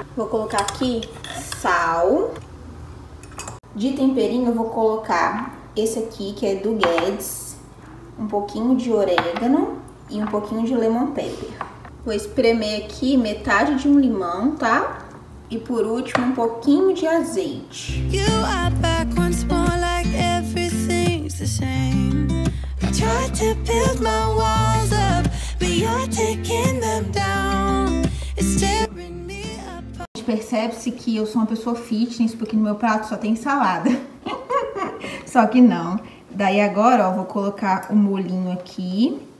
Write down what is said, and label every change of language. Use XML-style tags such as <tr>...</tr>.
<pt>Vou colocar aqui sal. De temperinho, eu vou colocar esse aqui, que é do Guedes. Um pouquinho de orégano e um pouquinho de lemon pepper. Vou espremer aqui metade de um limão, tá? E por último, um pouquinho de azeite.</pt> <en>You are back once more like everything's the same. I tried to build my walls up.</en> <pt>A gente percebe-se que eu sou uma pessoa fitness, porque no meu prato só tem salada. Só que não. Daí agora, ó, vou colocar o molhinho aqui.</pt>